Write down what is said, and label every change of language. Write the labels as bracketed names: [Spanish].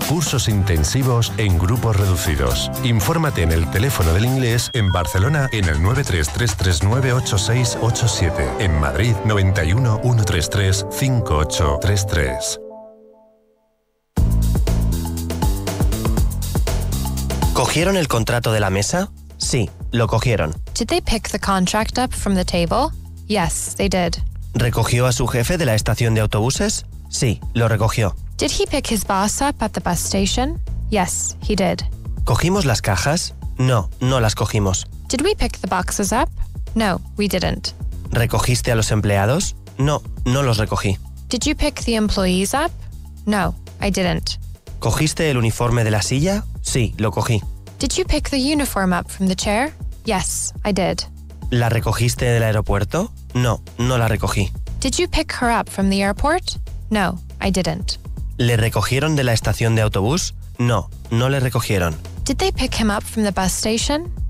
[Spanish] Cursos intensivos en grupos reducidos. Infórmate en el teléfono del inglés en Barcelona en el 933398687. En Madrid 91133-5833. ¿Cogieron el contrato de la mesa? Sí, lo cogieron. [English] Did they pick the contract up from the table? Yes, they did. [Spanish] ¿Recogió a su jefe de la estación de autobuses? Sí, lo recogió. [English] Did he pick his boss up at the bus station? Yes, he did. [Spanish] ¿Cogimos las cajas? No, no las cogimos. [English] Did we pick the boxes up? No, we didn't. [Spanish] ¿Recogiste a los empleados? No, no los recogí. [English] Did you pick the employees up? No, I didn't. [Spanish] ¿Cogiste el uniforme de la silla? Sí, lo cogí. [English] Did you pick the uniform up from the chair? Yes, I did. [Spanish] ¿La recogiste del aeropuerto? No, no la recogí. [English] Did you pick her up from the airport? No, I didn't. [Spanish] ¿Le recogieron de la estación de autobús? No, no le recogieron. [English] Did they pick him up from the bus station?